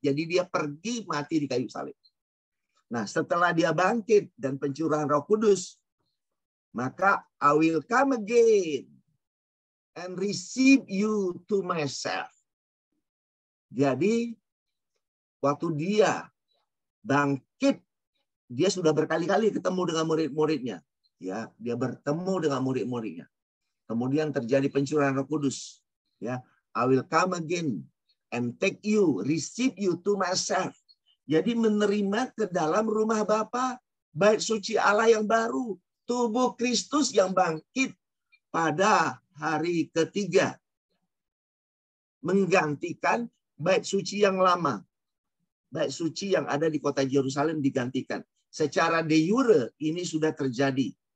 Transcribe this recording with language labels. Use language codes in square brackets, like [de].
[id] Jadi dia pergi mati di kayu salib. Nah, setelah dia bangkit dan pencurahan Roh Kudus, maka [en] I will come again and receive you to myself. [id] Jadi waktu dia bangkit, dia sudah berkali-kali ketemu dengan murid-muridnya. Ya, dia bertemu dengan murid-muridnya. Kemudian terjadi pencurahan Roh Kudus, ya. [en] I will come again and take you, receive you to myself. [id] Jadi menerima ke dalam rumah Bapa, bait suci Allah yang baru, tubuh Kristus yang bangkit pada hari ketiga, menggantikan bait suci yang lama, bait suci yang ada di kota Yerusalem digantikan. Secara de jure ini sudah terjadi.